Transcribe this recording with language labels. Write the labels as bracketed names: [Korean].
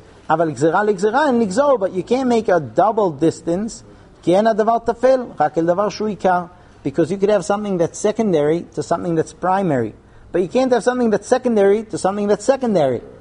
[Hebrew] אבל גזירה לגזירה אין לגזור, [English] but you can't make a double distance. [Hebrew] כי אין הדבר תפל, רק אל דבר שהוא עיקר. [English] Because you could have something that's secondary to something that's primary. But you can't have something that's secondary to something that's secondary.